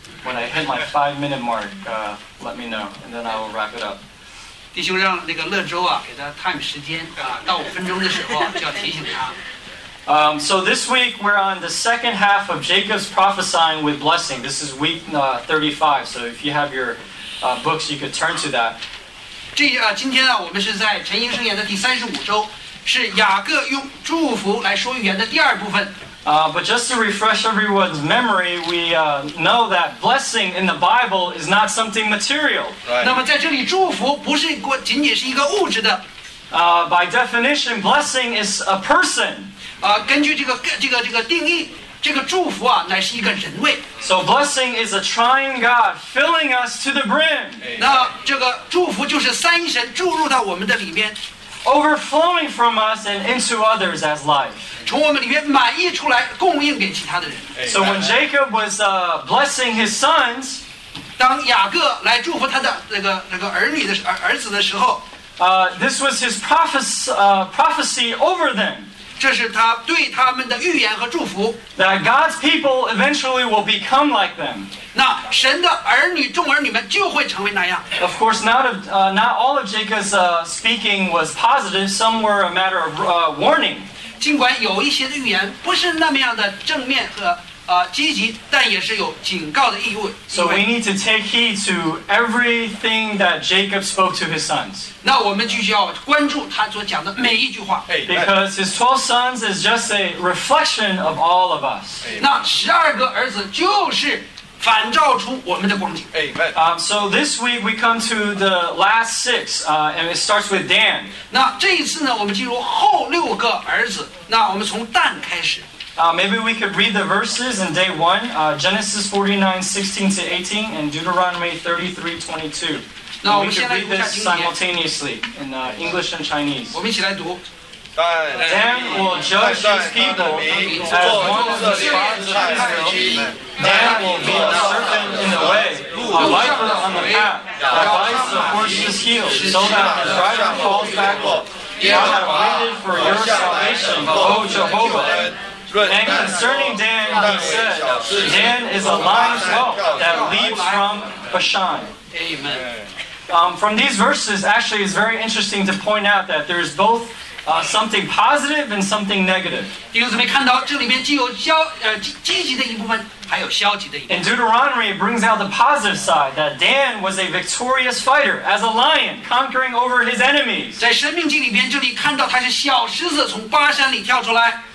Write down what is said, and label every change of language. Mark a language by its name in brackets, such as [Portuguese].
[English] When I hit my 5 minute mark, let me know, and then I will wrap it up. [Chinese] 弟兄让那个乐州啊，给他 time 时间啊，到5分钟的时候就要提醒他。 [English] So this week we're on the second half of Jacob's prophesying with blessing. This is week 35. So if you have your books, you could turn to that. [Chinese] 这啊，今天啊，我们是在晨兴圣言的第35周，是雅各用祝福来说预言的第二部分。 [English] But just to refresh everyone's memory, we know that blessing in the Bible is not something material. Right. [Chinese] 那么在这里祝福不是仅仅是一个物质的。 [English] By definition, blessing is a person. [Chinese] 根据这个定义，这个祝福啊，乃是一个人位。 [English] So blessing is a triune God filling us to the brim. [Chinese] 那这个祝福就是三神注入到我们的里面。 [English] Overflowing from us and into others as life. [Chinese] 从我们里面满溢出来，供应给其他的人。 [English] So when Jacob was blessing his sons, [Chinese] 当雅各来祝福他的那个儿子的时候， [English] this was his prophecy over them. [Chinese] 这是他对他们的预言和祝福。 [English] That God's people eventually will become like them. [Chinese] 那神的儿女，众儿女们就会成为那样。 [English] Of course, not all of Jacob's speaking was positive. Some were a matter of warning. [Chinese] 尽管有一些的预言不是那么样的正面和积极，但也是有警告的意味。 [English] So we need to take heed to everything that Jacob spoke to his sons. [Chinese] 那我们就需要关注他所讲的每一句话。 [English] Because his 12 sons is just a reflection of all of us. [Chinese] 那十二个儿子就是反照出我们的光景。 [English] So this week we come to the last six, and it starts with Dan. [Chinese] 那这一次呢，我们进入后六个儿子。那我们从但开始。 [English] Maybe we could read the verses in day one, Genesis 49:16-18, and Deuteronomy 33:22. We could read this simultaneously in English and Chinese. [Chinese] 我们一起来读。 [English] Dan will judge his people as one of the tribes of Israel. Dan will be a serpent in the way, a viper on the path that bites the horse's heel, so that his rider falls backward. I have waited for your salvation, O Jehovah. And concerning Dan, he said, Dan is a lion's whelp that leaps from Bashan. Amen. From these verses, actually, it's very interesting to point out that there's both something positive and something negative. [Chinese] 弟兄姊妹看到这里面既有积极的一部分，还有消极的一部分。 [English] In Deuteronomy, it brings out the positive side that Dan was a victorious fighter as a lion conquering over his enemies. [Chinese] 在申命记里面，这里看到他是小狮子从巴山里跳出来。